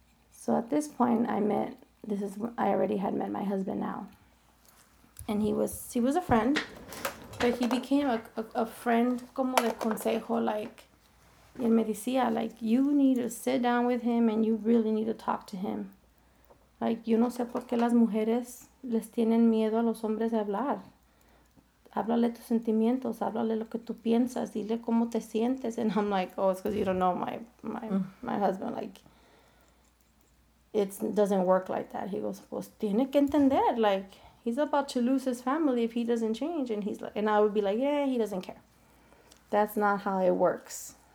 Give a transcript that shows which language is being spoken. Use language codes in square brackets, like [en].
[en] So at this point I already had met my husband now. And he was a friend, but he became a friend [es] como de consejo, [en] like, [es] y él me decía, [en] like, you need to sit down with him and you really need to talk to him. [es] Like, yo no sé por qué las mujeres les tienen miedo a los hombres de hablar. Háblale tus sentimientos, háblale lo que tú piensas, dile cómo te sientes. [en] And I'm like, oh, it's because you don't know my husband. Like, it doesn't work like that. He goes, [es] pues tiene que entender. [en] Like, he's about to lose his family if he doesn't change. And he's like, and I would be like, yeah, he doesn't care. That's not how it works.